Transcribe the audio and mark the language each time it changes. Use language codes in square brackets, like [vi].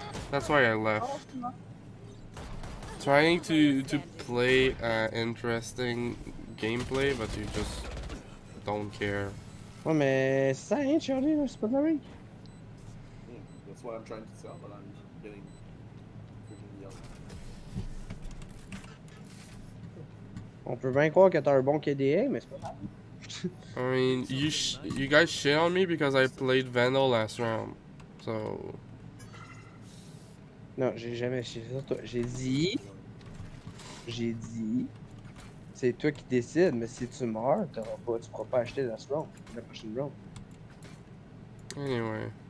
[en] That's why I left. Trying to play interesting gameplay, but you just don't care. Oh man, [fr] ça a rien changé, c'est pas de la rank. [en] That's what I'm trying to tell, but I'm getting freaking yelled. [fr] On peut bien croire que t'as un bon KDA, mais c'est pas grave. [en] I mean, you guys shit on me because I played Vandal last round, so. [fr] Non, j'ai jamais shit sur toi. J'ai dit, c'est toi qui décides, mais si tu meurs, tu pourras pas acheter la strong, la prochaine round. [en] Anyway.